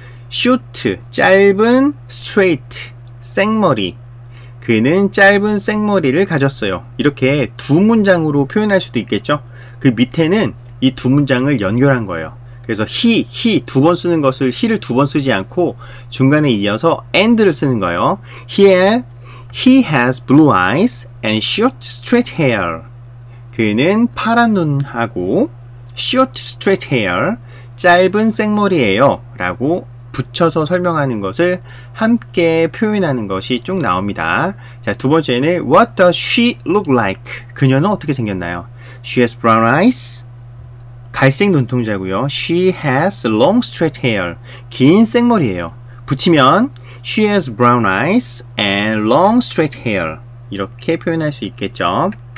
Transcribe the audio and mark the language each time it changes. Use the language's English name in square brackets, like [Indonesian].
[Korean] 쇼트, 짧은, 스트레이트, 생머리. 그는 짧은 생머리를 가졌어요. 이렇게 두 문장으로 표현할 수도 있겠죠? 그 밑에는 이두 문장을 연결한 거예요. 그래서 he 두 번 쓰는 것을 he를 두 번 쓰지 않고 중간에 이어서 and를 쓰는 거예요. [English] He has blue eyes and short straight hair. [Korean] 그는 파란 눈하고 [English] short straight hair, [Korean] 짧은 생머리예요 라고 붙여서 설명하는 것을 함께 표현하는 것이 쭉 나옵니다. 자, 두 번째는 [English] What does she look like? [Korean] 그녀는 어떻게 생겼나요? [English] She has brown eyes. [Korean] 갈색 눈동자고요. [English] She has long straight hair. [Korean] 긴 생머리예요. 붙이면 [English] She has brown eyes and long straight hair. [Korean] 이렇게 표현할 수 있겠죠.